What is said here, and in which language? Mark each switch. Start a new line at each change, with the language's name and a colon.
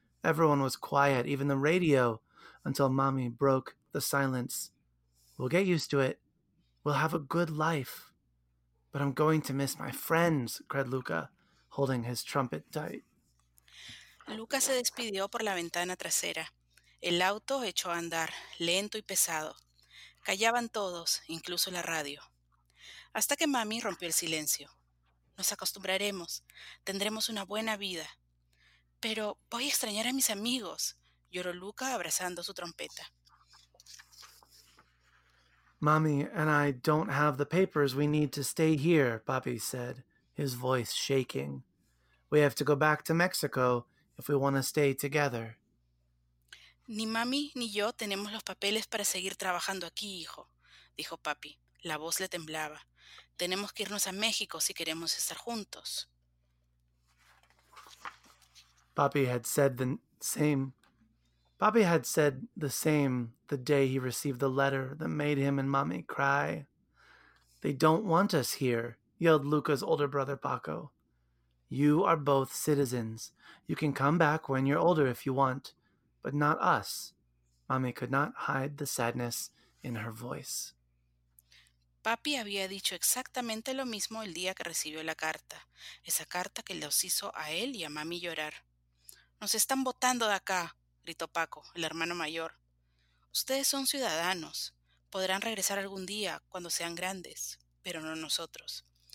English: Everyone was quiet, even the radio, until Mommy broke the silence. We'll get used to it. We'll have a good life. But I'm going to miss my friends, cried Luca, holding his trumpet tight.
Spanish: Luca se despidió por la ventana trasera. El auto echó a andar, lento y pesado. Callaban todos, incluso la radio. Hasta que Mami rompió el silencio. Nos acostumbraremos. Tendremos una buena vida. Pero voy a extrañar a mis amigos, lloró Luca abrazando su trompeta.
English: Mommy and I don't have the papers we need to stay here, Papi said, his voice shaking. We have to go back to Mexico if we want to stay together.
Spanish: Ni Mami ni yo tenemos los papeles para seguir trabajando aquí, hijo, dijo Papi. La voz le temblaba. Tenemos que irnos a México si queremos estar juntos.
English: Papi had said the same the day he received the letter that made him and Mommy cry. They don't want us here, yelled Luca's older brother Paco. You are both citizens. You can come back when you're older if you want, but not us. Mommy could not hide the sadness in her voice.
Spanish: Papi había dicho exactamente lo mismo el día que recibió la carta, esa carta que los hizo a él y a Mami llorar. Nos están botando de acá, gritó Paco, el hermano mayor. Ustedes son ciudadanos. Podrán regresar algún día, cuando sean grandes, pero no nosotros.